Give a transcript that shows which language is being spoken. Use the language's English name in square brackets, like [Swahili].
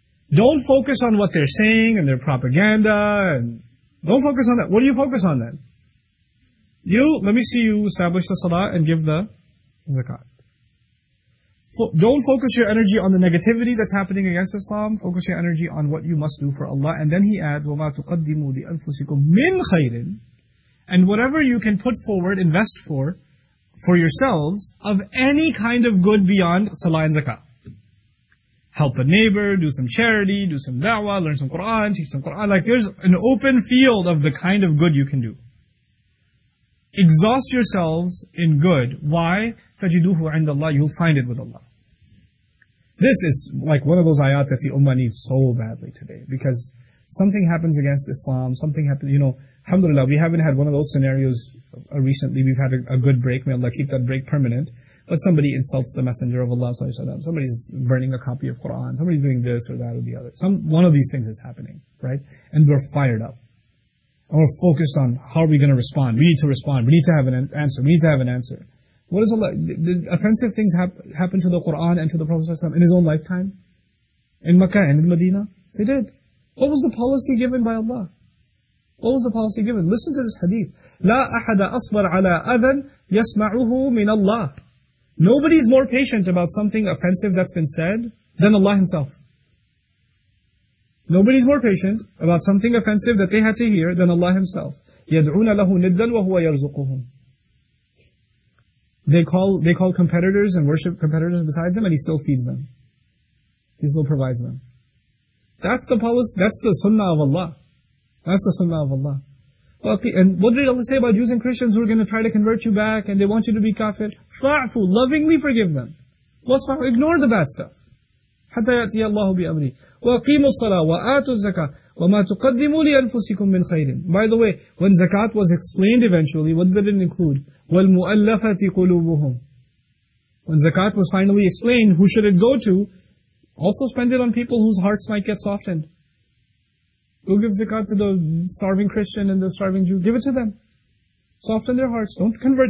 [English] Don't focus on what they're saying and their propaganda. And don't focus on that. What do you focus on then? You, let me see you establish the salah and give the zakat. Don't focus your energy on the negativity that's happening against Islam. Focus your energy on what you must do for Allah. And then he adds, [Arabic] وَمَا تُقَدِّمُوا لِأَنفُسِكُمْ مِنْ خَيْرٍ. [English] And whatever you can put forward, invest for yourselves, of any kind of good beyond salah and zakah. Help a neighbor, do some charity, do some da'wah, learn some Qur'an, teach some Qur'an. Like there's an open field of the kind of good you can do. Exhaust yourselves in good. Why? [Arabic] تَجِدُوهُ عِنْدَ اللَّهِ. [English] You'll find it with Allah. This is like one of those ayat that the ummah needs so badly today. Because something happens against Islam, something happens, you know, alhamdulillah, we haven't had one of those scenarios recently. We've had a good break. May Allah keep that break permanent. But somebody insults the Messenger of Allah, sallallahu alayhi wa sallam. Somebody's burning a copy of Quran. Somebody's doing this or that or the other. One of these things is happening, right? And we're fired up. And we're focused on how are we going to respond. We need to respond. We need to have an answer. We need to have an answer. What is Allah? Did offensive things happen to the Quran and to the Prophet in his own lifetime? In Mecca and in Medina? They did. What was the policy given by Allah? What was the policy given? Listen to this hadith. [Arabic] لا أحد أصبر على أذن يسمعه من الله. [English] Nobody is more patient about something offensive that's been said than Allah Himself. Nobody is more patient about something offensive that they had to hear than Allah Himself. [Arabic] يدعون له ندا وهو يرزقهم. [English] They call competitors and worship competitors besides him, and he still feeds them. He still provides them. That's the policy. That's the sunnah of Allah. That's the sunnah of Allah. And what did Allah say about Jews and Christians who are going to try to convert you back and they want you to be kafir? [Arabic] فَعْفُ. [English] Lovingly forgive them. [Arabic] وَصْفَعْفُ. [English] Ignore the bad stuff. [Arabic] حَتَّى يَأْتِيَ اللَّهُ بِأَمْرِهِ. وَأَقِيمُوا الصَّلَاةَ وَآتُوا الزَّكَاةَ. وَمَا تُقَدِّمُوا لِأَنفُسِكُم مِّن خَيْرٍ. [English] By the way, when zakat was explained eventually, what did it include? [Arabic] وَالْمُؤَلَّفَةِ قُلُوبُهُمْ. [English] When zakat was finally explained, who should it go to? Also spend it on people whose hearts might get softened. Who gives zakat to the starving Christian and the starving Jew? Give it to them. Soften their hearts. Don't convert.